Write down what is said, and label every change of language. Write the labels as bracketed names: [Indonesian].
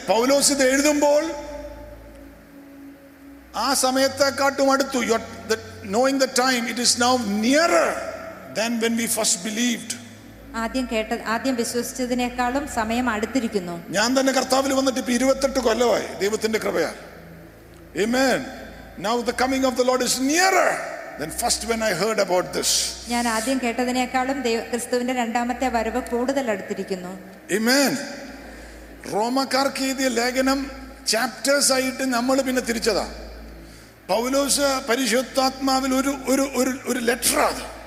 [Malayalam] പൗലോസ് ഇത് എഴുതുമ്പോൾ ആ സമയത്തെക്കാട്ടും അടുത്തു. [English] Knowing the time, it is now nearer than when we first believed. [Malayalam] ആദ്യം വിശ്വസിച്ചതിനേക്കാളും സമയം അടുത്തിരിക്കുന്നു. ഞാൻ തന്നെ കർത്താവിൽ വന്നിട്ട് ഇപ്പൊ 28 കൊല്ലമായി. ദൈവത്തിന്റെ കൃപയാ. Amen. [English] Now the coming of the Lord is nearer than first when I heard about this. [Malayalam] ഞാൻ ആദ്യം കേട്ടതിനേക്കാളും ക്രിസ്തുവിന്റെ രണ്ടാമത്തെ വരവ് കൂടുതൽ അടുത്തിരിക്കുന്നു. [English] Amen. [Malayalam] റോമക്കാർക്ക് എഴുതിയ ലേഖനം ചാപ്റ്റേഴ്സ് ആയിട്ട് നമ്മൾ പിന്നെ തിരിച്ചതാ. പൗലോസ് പരിശുദ്ധാത്മാവിൽ ഒരു ഒരു ഒരു ലെറ്റർ ആണ്.